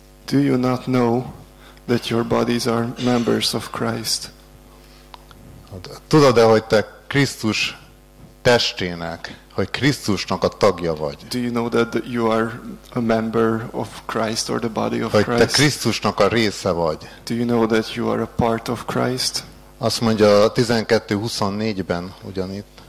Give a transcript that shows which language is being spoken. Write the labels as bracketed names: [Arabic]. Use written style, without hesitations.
[English] Do you not know that your bodies are members of Christ? [Hungarian] Tudod-e, hogy te Krisztus testének, hogy Krisztusnak a tagja vagy? [English] Do you know that you are a member of Christ or the body of [Hungarian] hogy [English] Christ? [Hungarian] Hogy te Krisztusnak a része vagy? [English] Do you know that you are a part of Christ? [Hungarian] Azt mondja 12:24-ben ugyanitt.